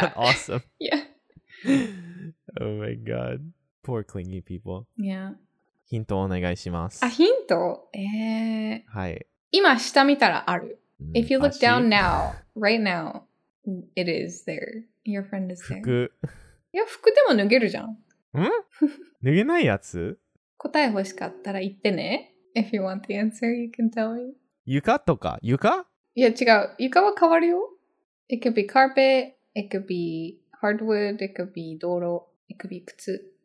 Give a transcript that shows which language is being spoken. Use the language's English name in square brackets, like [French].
[English] That's awesome. Yeah. Oh my god. Poor clingy people. Yeah. [Japanese] Hinto onegai shimasu. A hinto? Hai. Ima shita mitara aru. [English] If you look down now, right now, it is there. Your friend is there. [Japanese] 服。いや、服でも脱げるじゃん。ん？脱げないやつ？答え欲しかったら言ってね。 [English] If you want the answer, you can tell me. [Japanese] 床とか？床？いや、違う。床は変わるよ。 [English] It could be carpet, it could be hardwood, it could be 道路, it could be 靴。